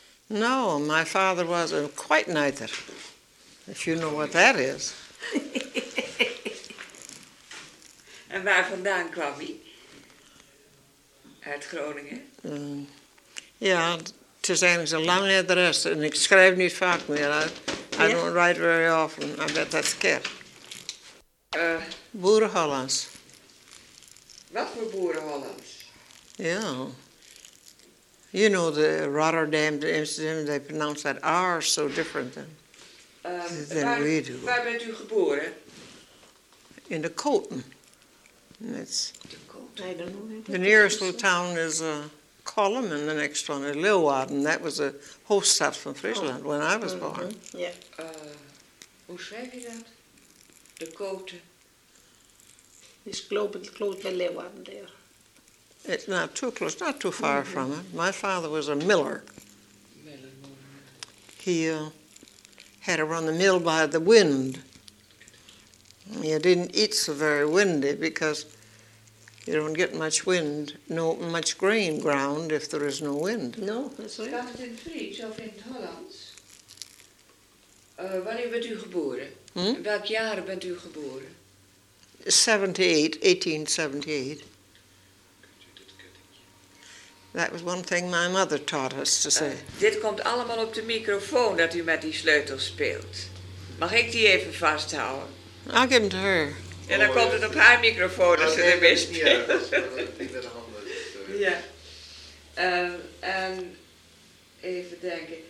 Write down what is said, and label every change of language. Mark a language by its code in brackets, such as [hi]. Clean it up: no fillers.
[en] No, my father was quite neither. If you know what that is. [nl] En waar vandaan kwam hij? Uit Groningen? Ja, het is eigenlijk een lange adres en ik schrijf niet vaak meer. [en] I don't write very often, I bet that's scared. [nl] Boerenhollands. Wat voor Boerenhollands? Ja. [en] Yeah. You know the Rotterdam, the Amsterdam, they pronounce that R so different than we do. [nl] Waar bent u geboren? In de Koten. [en] It's [nl] Koten. [en] The nearest little town is Kollum, and the next one is Leeuwarden. That was a [nl] hoofdstad van [en] Friesland when I was born. [nl] Ja. Hoe schrijf je dat? De Koten. [en] Is close by Leeuwarden there. It's not too close, not too far from it. My father was a miller. He had to run the mill by the wind. He didn't eat so very windy because you don't get much wind, no much grain ground if there is no wind. No, that's right. [nl] Staat het in Fries of in het Hollands? Wanneer bent u geboren? Hmm? Welk jaar bent u geboren? 1878. [en] That was one thing my mother taught us to say. [nl] Dit komt allemaal op de microfoon dat u met die sleutel speelt. Mag ik die even vasthouden? [en] I'll give him to her. [nl] En dan komt het op haar microfoon als ze er mee speelt. Ja, dat is niet handig. Ja. En even denken.